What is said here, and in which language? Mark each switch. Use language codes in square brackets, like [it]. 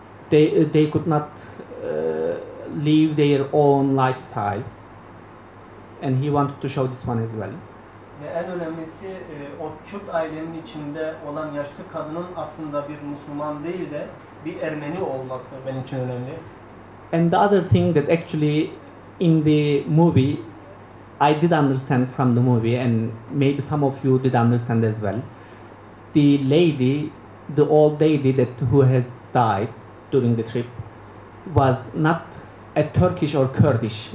[en] They could not leave their own lifestyle. And he wanted to show this one as well. [tr] Ve en önemlisi o Kürt ailenin içinde olan yaşlı kadının aslında bir Müslüman değil de bir Ermeni olması benim için önemli. [en] And the other thing that actually in the movie I did understand from the movie and maybe some of you did understand as well. The lady, the old lady that who has died during the trip was not a Turkish or Kurdish.